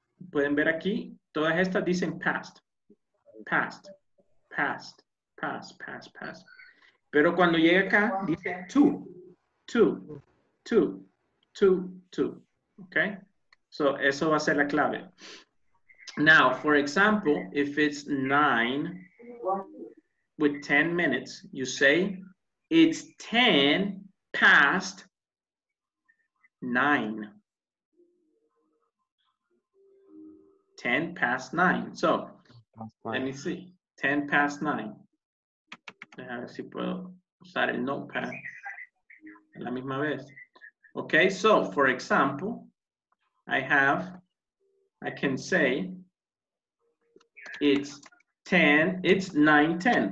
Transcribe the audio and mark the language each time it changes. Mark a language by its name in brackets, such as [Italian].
[Spanish] Pueden ver aquí, todas estas dicen past, past, past, past, past, past. Pero cuando llega acá, dice to, to, to, to, to. Okay? So, eso va a ser la clave. [English] Now, for example, if it's 9 with 10 minutes, you say, it's 10 past 9. 10 past 9. So, let me see. 10 past 9. [Spanish] A ver si puedo usar el notepad a la misma vez. [English] Okay, so, for example, I can say, it's 9:10.